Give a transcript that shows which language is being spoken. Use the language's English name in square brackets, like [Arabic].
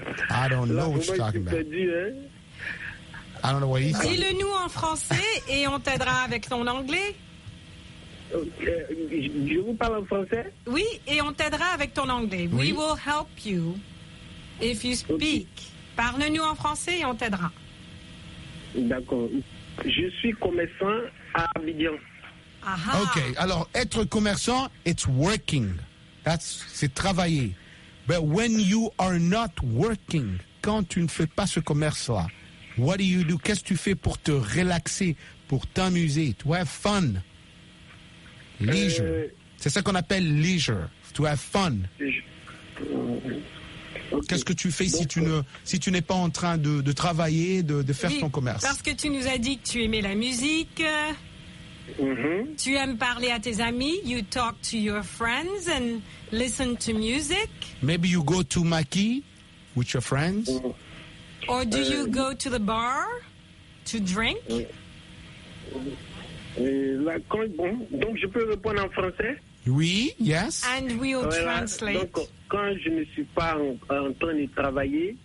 [English] I don't know what you're talking about. I don't know what he's saying. [French] Dis-le-nous en français et on t'aidera avec ton anglais. Je vous parle en français? Oui, et on t'aidera avec ton anglais. Oui. [English] We will help you if you speak. Okay. [French] Parle-nous en français et on t'aidera. D'accord. Je suis commerçant à Abidjan. Aha. OK. Alors, être commerçant, [English] it's working. [French] C'est travailler. [English] But when you are not working, [French] quand tu ne fais pas ce commerce-là, [English] what do you do? [French] Qu'est-ce que tu fais pour te relaxer, pour t'amuser? [English] To have fun. [French] Leisure. C'est ça qu'on appelle leisure. [English] To have fun. Okay. [French] Qu'est-ce que tu fais si tu n'es pas en train de travailler, de faire oui, ton commerce? Parce que tu nous as dit que tu aimais la musique. Mm-hmm. Tu aimes parler à tes amis. [English] You talk to your friends and listen to music. Maybe you go to Maki with your friends. Or do you go to the bar to drink? [French] Donc je peux répondre en français? Oui, yes. [English] And we'll translate. [French] Donc quand je ne suis pas en train de travailler,